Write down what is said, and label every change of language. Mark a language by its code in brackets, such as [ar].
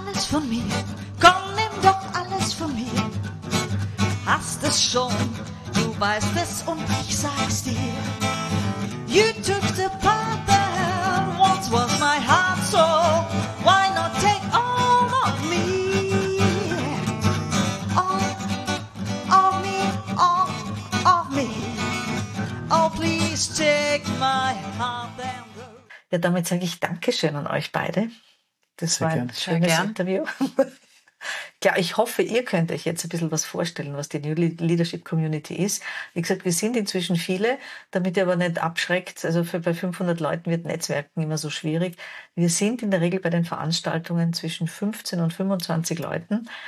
[de] von mir, komm, nimm doch alles von mir. Hast es schon, du weißt es und ich sag's dir. [en] You took the part that once was my heart, so why not take all of me? All of me, all of me. Oh, please take my heart and go. [de] Ja, damit sage ich Dankeschön an euch beide. Das war ein schönes Interview. Ja, ich hoffe, ihr könnt euch jetzt ein bisschen was vorstellen, was die New Leadership Community ist. Wie gesagt, wir sind inzwischen viele, damit ihr aber nicht abschreckt. Also bei 500 Leuten wird Netzwerken immer so schwierig. Wir sind in der Regel bei den Veranstaltungen zwischen 15 und 25 Leuten.